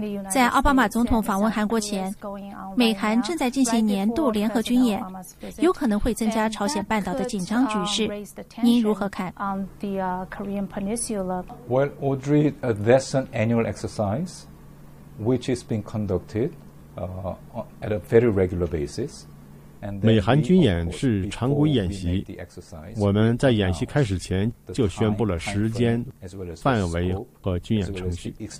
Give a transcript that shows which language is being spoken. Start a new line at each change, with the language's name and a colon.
Chinese: 在奥巴马总统访问韩国前，美韩正在进行年度联合军演，有可能会增加朝鲜半岛的紧张局势，您如何看？
English: Well, Audrey, that's an annual exercise which is being conducted at a very regular basis.
Chinese: 美韩军演是常规演习，我们在演习开始前就宣布了时间、范围和军演程序。